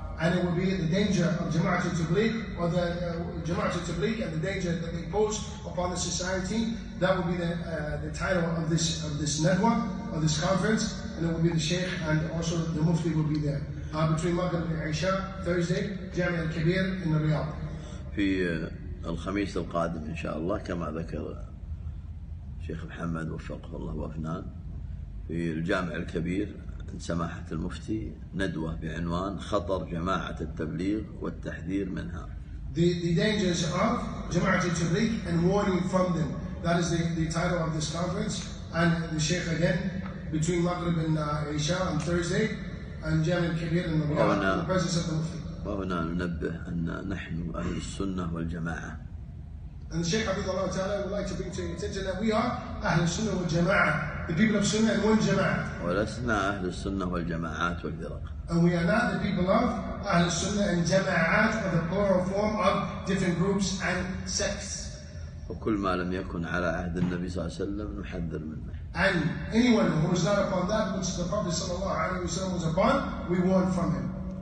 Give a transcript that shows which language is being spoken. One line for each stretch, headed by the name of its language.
English: And it will be the danger of Jama'at al-Tabliq, or the Jama'at al-Tabliq, and the danger that they pose upon the society. That will be the title of this nadwa, of this conference, and it will be the Shaykh and also the Mufti will be there between Maghrib and Isha Thursday, Jami' al-Kabir in the Riyadh.
Arabic: في الخميس القادم إن شاء الله كما ذكر شيخ محمد وفقه الله وأفنان في الجامع الكبير. سماحة المفتي ندوة بعنوان خطر جماعة التبليغ والتحذير منها.
English: The dangers of جماعة التبليغ and warning from them. That is the title of this conference. and the Sheikh again between Maghrib and Isha on Thursday, and Jamil Kabir and the presence of the Mufti.
Arabic: وهنا ننبه أن نحن أهل السنة والجماعة.
English: And the Sheikh Abid Allah Ta'ala would like to bring to your attention that we are
Arabic: أهل السنة والجماعة,
English: the people of Sunnah and one Jama'ah.
Arabic: ولسنا أهل السنة والجماعات والفرق.
English: And we are not the people of
Arabic: أهل السنة
English: and
Arabic: جماعات,
English: but the plural form of different groups and sects.
Arabic: وكل ما لم يكن على عهد النبي صلى الله عليه وسلم نحذر منه.
English: And anyone who is not upon that which the Prophet
Arabic: صلى الله عليه وسلم
English: was upon, we warn from him.